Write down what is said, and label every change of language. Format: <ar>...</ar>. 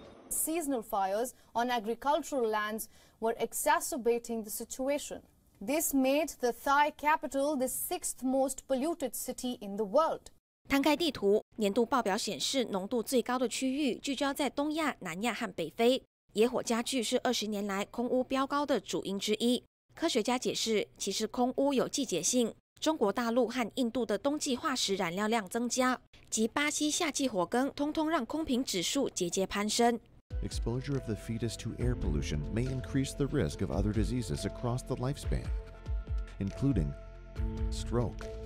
<en>Seasonal fires on agricultural lands were exacerbating the situation. This made the Thai capital the sixth most polluted city in the world.</en> <zh>摊开地图，年度报表显示，浓度最高的区域聚焦在东亚、南亚和北非。野火加剧是二十年来空污飙高的主因之一。科学家解释，其实空污有季节性。中国大陆和印度的冬季化石燃料量增加，及巴西夏季火耕，通通让空品指数节节攀升。</zh> <en>Exposure of the fetus to air pollution may increase the risk of other diseases across the lifespan, including stroke.</en>